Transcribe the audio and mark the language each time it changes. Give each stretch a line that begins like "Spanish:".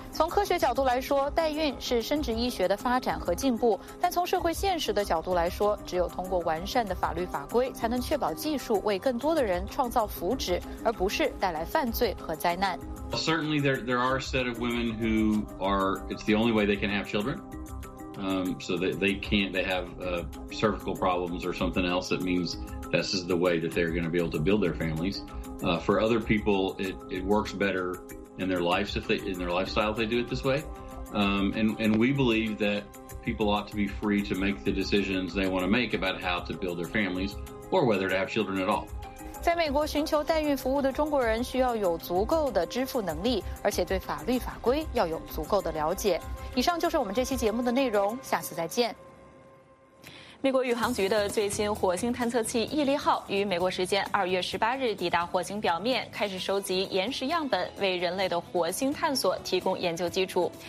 Chinese: 从科学角度来说，代孕是生殖医学的发展和进步，但从社会现实的角度来说，只有通过完善的法律法规才能确保技术为更多的人创造福祉，而不是带来犯罪和灾难。
English: Certainly there are a set of women who are, it's the only way they can have children, so that they can't, they have cervical problems or something else that means this is the way that they're going to be able to build their families. For other people it works betterin their lives, if they in their lifestyle, if they do it this way. And we believe that people ought to be free to make the decisions they want to make about how to build their families or whether to have children at all.
Chinese: 在美国寻求代孕服务的中国人需要有足够的支付能力，而且对法律法规要有足够的了解。以上就是我们这期节目的内容，下次再见。美国宇航局的最新火星探测器毅力号于美国时间2月18日抵达火星表面，开始收集岩石样本，为人类的火星探索提供研究基础。